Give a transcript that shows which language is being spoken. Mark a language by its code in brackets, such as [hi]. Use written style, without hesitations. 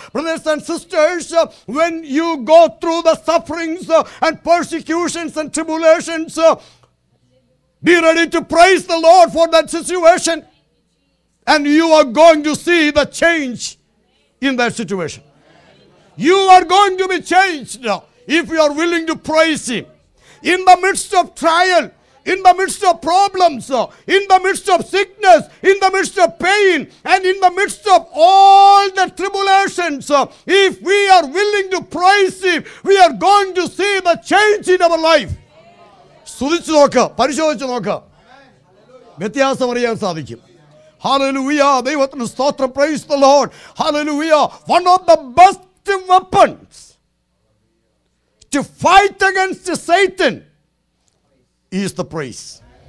[en] Brothers and sisters, when you go through the sufferings and persecutions and tribulations, be ready to praise the lord for that situation, and you are going to see the change in that situation. You are going to be changed if you are willing to praise him. In the midst of trial, in the midst of problems, in the midst of sickness, in the midst of pain, and in the midst of all the tribulations, if we are willing to praise him, we are going to see the change in our life. [ml] സുധിച്ചു നോക്ക, പരിശോധിച്ചു നോക്ക, വ്യത്യാസം അറിയാൻ സാധിക്കും. [en] Hallelujah. [ml] Devathana stotra. [en] Praise the Lord. Hallelujah. One of the best weapons to fight against Satan is the praise.